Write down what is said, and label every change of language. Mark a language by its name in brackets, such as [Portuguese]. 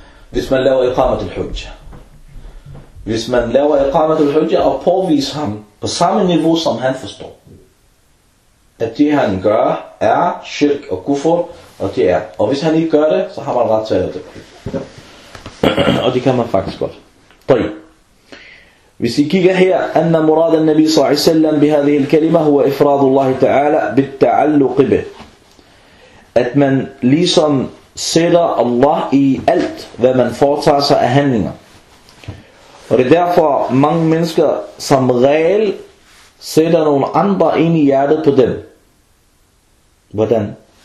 [Danish] Hvis man laver iqamat al-hujja. Hvis man laver iqamat al-hujja og påviser ham på samme niveau, som han forstår. At det han gør er shirk og kufur, og det er. Og hvis han ikke gør det, så har man ret til at lave det. Og det kan man faktisk godt. Tøj. Hvis I kigger her, [Arabic] أن مراد النبي صلى الله عليه وسلم بهذه الكلمة هو إفراد الله تعالى بالتعلق به. [Danish] At man ligesom sætter Allah i alt, hvad man foretager sig af handlinger. Og det er derfor mange mennesker som regel sætter nogle andre ind i hjertet på dem. Hvordan?